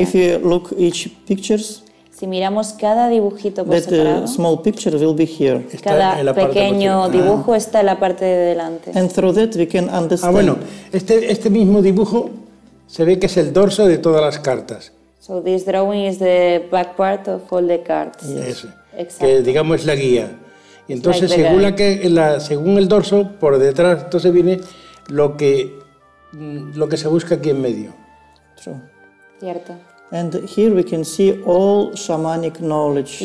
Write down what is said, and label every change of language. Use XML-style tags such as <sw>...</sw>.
<en>If you look each pictures.</en> <es>Si miramos cada dibujito por separado,</es> <en>small picture will be here.</en> <es>Cada pequeño dibujo está en la parte de delante.</es> <en>And through that we can understand.</en> <es>Ah, bueno, este mismo dibujo se ve que es el dorso de todas las cartas.</es> <en>So this drawing is the back part of all the cards.</en> <es>Yes. Eso. Que digamos es la guía. Y entonces like según la que la según el dorso por detrás entonces viene lo que se busca aquí en medio.</es> <en>True.</en> <es>Cierto.</es> <en>And here we can see all shamanic knowledge.</en>